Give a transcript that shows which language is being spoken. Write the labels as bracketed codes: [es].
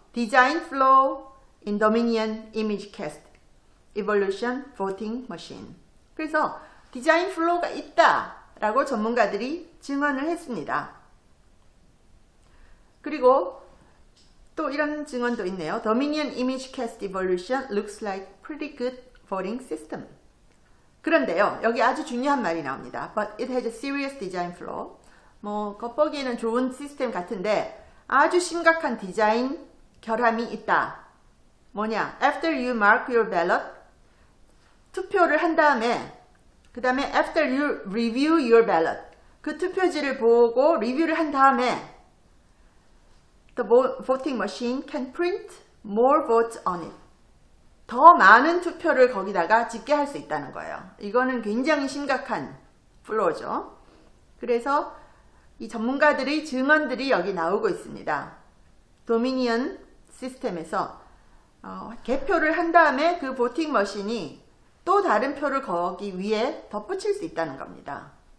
[en] Design Flow in Dominion Image Cast Evolution Voting Machine. [ko] 그래서 디자인 플로우가 있다라고 전문가들이 증언을 했습니다. 그리고 또 이런 증언도 있네요. [en] Dominion Image Cast Evolution looks like pretty good voting system. [ko] 그런데요. 여기 아주 중요한 말이 나옵니다. [en] But it has a serious design flaw. [ko] 뭐 겉보기에는 좋은 시스템 같은데 아주 심각한 디자인 결함이 있다. 뭐냐? [en] After you mark your ballot, [ko] 투표를 한 다음에 그 다음에 [en] after you review your ballot, [ko] 그 투표지를 보고 리뷰를 한 다음에 [en] the voting machine can print more votes on it. [ko] 더 많은 투표를 거기다가 집계할 수 있다는 거예요. 이거는 굉장히 심각한 플로우죠. 그래서 이 전문가들의 증언들이 여기 나오고 있습니다. 도미니언 시스템에서 개표를 한 다음에 그 보팅 머신이 또 다른 표를 거기 위에 덧붙일 수 있다는 겁니다.